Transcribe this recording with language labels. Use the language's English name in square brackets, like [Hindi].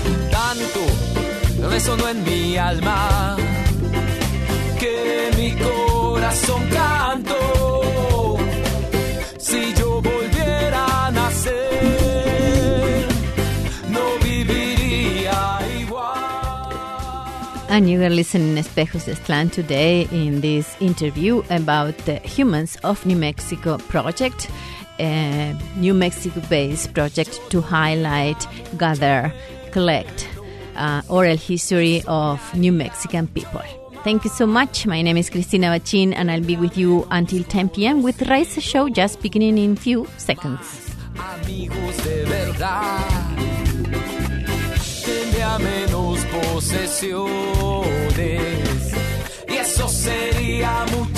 [Spanish] Tanto resonó en mi alma que mi corazón cantó. Si yo volviera a nacer, no viviría igual. [English] And you are listening to Espejos de Aztlán today in this interview about the Humans of New Mexico project, a New Mexico-based project to highlight, gather, collect oral history of New Mexican people. Thank you so much. My name is Cristina Bachin, and I'll be with you until 10 p.m. with Raíces Show just beginning in a few seconds. [Spanish] Amigos de verdad, tende a menos posesiones, y eso sería muy...